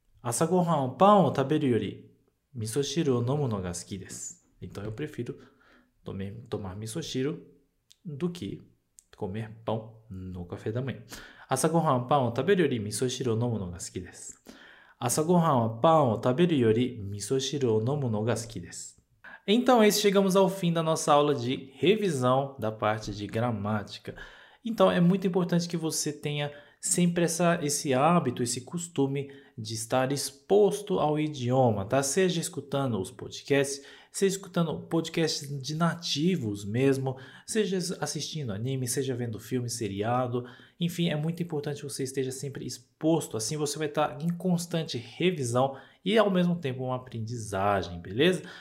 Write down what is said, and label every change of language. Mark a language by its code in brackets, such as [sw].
[ja] 朝ごはんをパンを食べるより味噌汁を飲むのが好きです。 [pt] Então eu prefiro tomar 味噌汁 do que comer pão no café da manhã。 [ja] 朝ごはんをパンを食べるより味噌汁を飲むのが好きです。朝ごはんはパンを食べるより味噌汁を飲むのが好きです。 [pt] Então aí chegamos ao fim da nossa aula de revisão da parte de gramática。 Então é muito importante que você tenha sempre esse hábito, esse costume de estar exposto ao idioma, tá? Seja escutando os podcasts, seja escutando podcasts de nativos mesmo, seja assistindo anime, seja vendo filme, seriado, enfim, é muito importante que você esteja sempre exposto, assim você vai estar em constante revisão e ao mesmo tempo uma aprendizagem, beleza?